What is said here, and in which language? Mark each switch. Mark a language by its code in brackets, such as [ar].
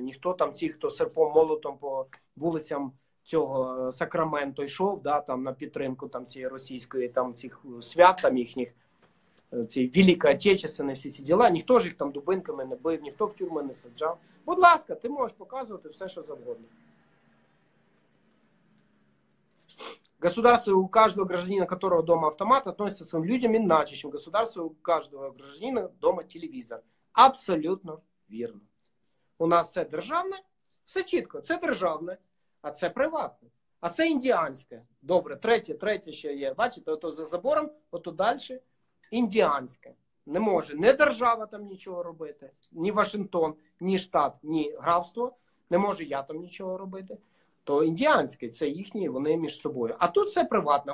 [uk] Ніхто там, ті, хто серпом молотом по вулицям цього Сакраменто йшов, да, там на підтримку там цієї російської, там цих свят там їхніх, цієї Велика Отечественна, всі ці діла, ніхто ж їх там дубинками не бив, ніхто в тюрми не саджав. Будь ласка, ти можеш показувати все, що завгодно. [ru] Государство у каждого гражданина, которого дома автомат, относится к своим людям иначе, чем государство у каждого гражданина дома телевизор. Абсолютно верно. [uk] У нас це державне, все чітко, це державне, а це приватне. А це індіанське. Добре, третє ще є. Бачите, ото за забором, ото далі індіанське. не може ні держава там нічого робити, ні Вашингтон, ні штат, ні графство, не можу я там нічого робити, то індіанське, це їхні, вони між собою. А тут все приватно.